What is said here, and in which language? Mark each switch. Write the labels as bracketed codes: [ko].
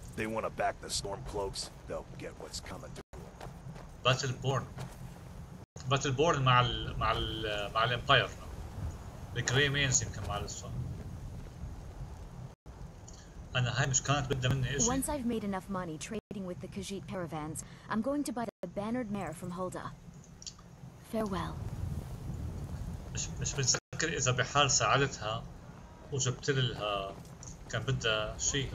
[en] They want to back the storm cloaks, they'll get what's coming to them. Battleborn. [ar] Battleborn مع الـ مع الـ مع الامباير. The gray manes يمكن مع الاسطورم. انا هاي مش كانت بدها مني اشي. [en] Once I've made enough money trading with the Khajiit caravans, I'm going to buy the bannered mare from Hulda. Farewell. [ar] مش بتذكر اذا بحال ساعدتها وجبت لها كان بدها شيء.